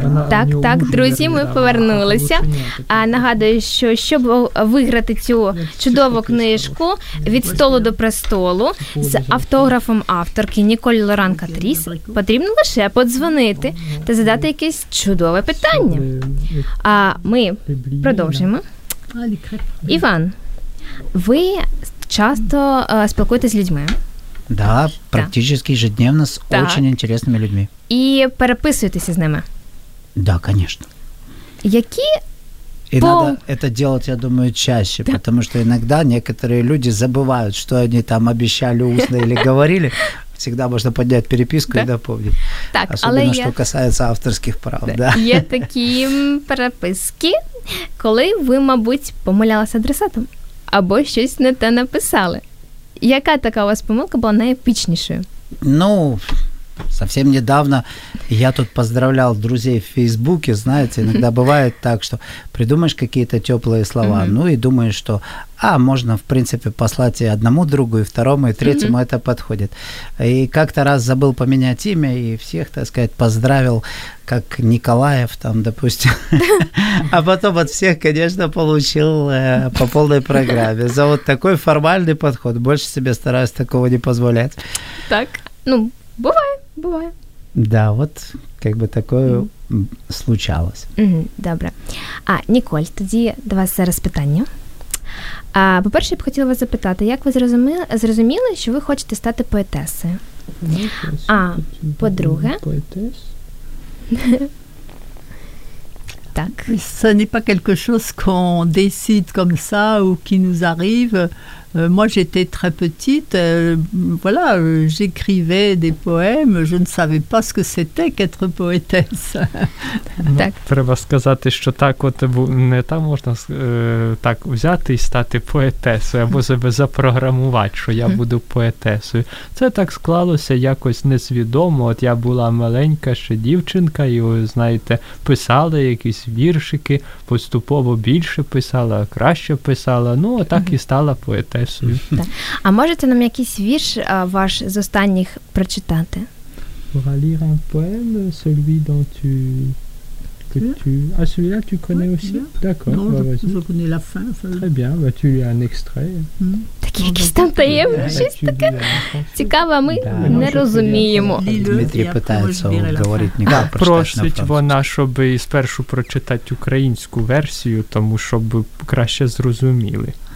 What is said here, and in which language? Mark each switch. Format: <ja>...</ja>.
<uk>Так, так, друзі, ми повернулися. А нагадую, що щоб виграти цю чудову книжку «Від столу до престолу» з автографом авторки Ніколь Лоран Катріс, потрібно лише подзвонити та задати якесь чудове питання. А ми продовжуємо. Іван, ви часто спілкуєтесь з людьми?</uk> <ru>Да, практически ежедневно с так. Очень интересными людьми. И переписываетесь с ними? Да, конечно. Какие? И надо это делать, я думаю, чаще, да. Потому что иногда некоторые люди забывают, что они там обещали устно или говорили. Всегда можно поднять переписку да. И напомнить. Так, особенно, что касается авторских прав. Да. Да.</ru> <uk>Є такі переписки, коли ви, мабуть, помилялись адресатом або щось не те написали. Яка така у вас помилка була найепічнішою? Ну,</uk> <ru>Совсем недавно я тут поздравлял друзей в Фейсбуке, знаете, иногда бывает так, что придумаешь какие-то теплые слова, ну и думаешь, что, а, можно, в принципе, послать и одному другу, и второму, и третьему это подходит. И как-то раз забыл поменять имя, и всех, так сказать, поздравил, как Николаев там, допустим. А потом от всех, конечно, получил по полной программе за вот такой формальный подход. Больше себе стараюсь такого не позволять. Так, ну, бывает.</ru> <uk>Буває.</uk> <ru>Да, вот как бы такое случалось.</ru> <uk>Добре. А, Ніколь, тоді до вас зараз питання. А, по-перше, я б хотіла вас запитати, як ви зрозуміли, що ви хочете стати поетесою? А, по-друге... Поетесою? Так.</uk> <fr>Ce n'est pas quelque chose qu'on décide comme ça ou qui nous arrive... Moi, j'étais très petite, voilà, j'écrivais des poèmes, je ne savais pas ce que c'était qu'être poétesse.</fr> <uk>Так. Треба сказати, що так от не так можна так взяти і стати поетесою, або себе запрограмувати, що я буду поетесою. Це так склалося якось несвідомо, от я була маленька ще дівчинка, і, знаєте, писала якісь віршики, поступово більше писала, краще писала, ну, так і стала поетесою. А можете нам якийсь вірш ваш з останніх прочитати?</uk> <fr>Pour lire un poème, celui dont tu que tu Ah, celui-là tu connais aussi? D'accord. Non, je connais la fin. Très bien, bah tu lis un extrait.</fr> <uk>Такий якийсь там таємний щось таке. Цікаво, ми не розуміємо. Дмитрій питається говорити, ніхто не прочитає. Просить вона, щоб спершу прочитати українську версію, тому щоб краще зрозуміли.</uk>